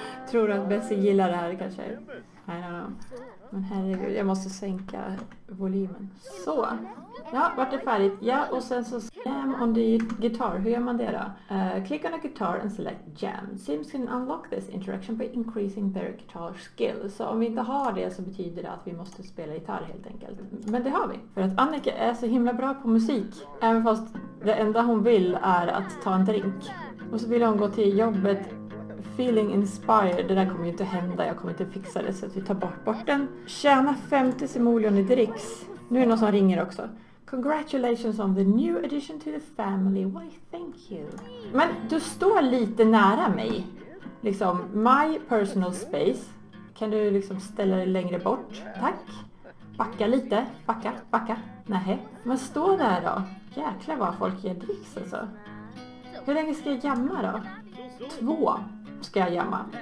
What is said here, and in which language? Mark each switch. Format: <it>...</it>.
<sv>Tror du att Bessie gillar det här kanske? I don't know. Men herregud, jag måste sänka volymen. Så. Ja, vart är färdigt? Ja, och sen så jam on the guitar. Hur gör man det då?</sv> <en>Click on a guitar and select jam. Sims can unlock this interaction by increasing their guitar skill.</en> <sv>Så om vi inte har det så betyder det att vi måste spela gitarr helt enkelt. Men det har vi. För att Annika är så himla bra på musik. Även fast det enda hon vill är att ta en drink. Och så vill hon gå till jobbet. Feeling inspired, det där kommer ju inte hända, jag kommer inte fixa det, så att vi tar bort den. Tjäna 50 simoleon i dricks. Nu är det någon som ringer också.</sv> <en>Congratulations on the new addition to the family, why thank you.</en> <sv>Men du står lite nära mig. Liksom, my personal space. Kan du liksom ställa dig längre bort? Tack. Backa lite, backa, backa. Nähe. Men stå där då. Jäklar vad folk ger dricks alltså. Hur länge ska jag jamma då? 2. Ska jag jamma.</sv>